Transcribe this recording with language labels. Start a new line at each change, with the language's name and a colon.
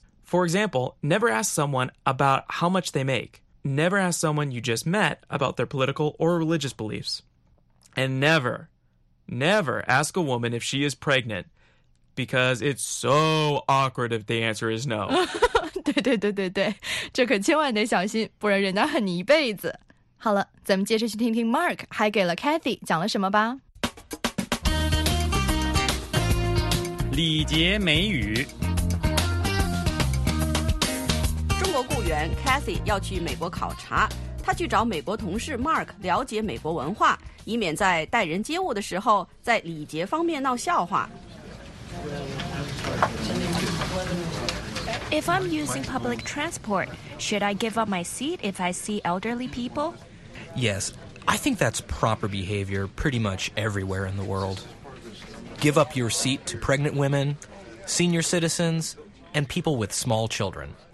English: For example, never ask someone about how much they make. Never ask someone you just met about their political or religious beliefs. And never, never ask a woman if she is pregnant, because it's so awkward if the answer is no.
Chinese: 对对对对对，这可千万得小心，不然人家恨你一辈子。好了，咱们接着去听听 Mark 还给了 Cathy 讲了什么吧。礼节美语。中国雇员 Cathy 要去美国考察，她去找美国同事 Mark 了解美国文化，以免在待人接物的时候在礼节方面闹笑话。
English: If I'm using public transport, should I give up my seat if I see elderly people? Yes, I think that's proper behavior pretty much everywhere in the world. Give up your seat to pregnant women, senior citizens, and people with small children.